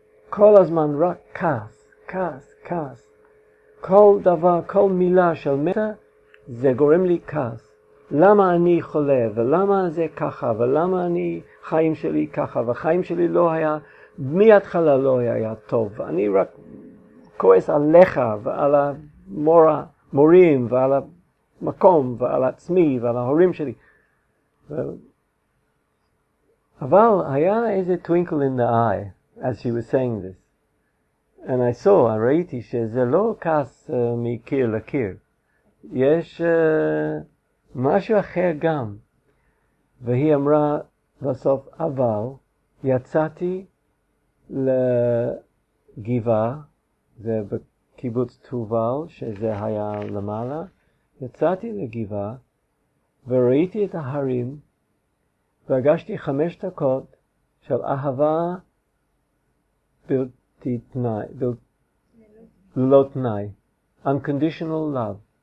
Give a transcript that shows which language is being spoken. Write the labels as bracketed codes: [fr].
[he] כל הזמן רק כעס, כעס, כעס, כל דבר, כל מילה של מתה, זה גורם לי כעס, למה אני חולה, ולמה זה ככה, ולמה אני, חיים שלי ככה, וחיים שלי לא היה, מההתחלה לא היה טוב, אני רק כועס עליך ועל המורים ועל המקום ועל עצמי ועל ההורים שלי. אבל היה איזה [en] twinkle in the eye as she was saying this. And I saw, I [he] ראיתי שזה לא כעס מקיר לקיר. יש משהו אחר גם. והיא אמרה בסוף, אבל יצאתי לגבעה, זה בקיבוץ תובל, שזה היה למעלה, יצאתי לגבעה וראיתי את ההרים, והגשתי 5 דקות של אהבה בלתי תנאי, ללא תנאי, [en] unconditional love.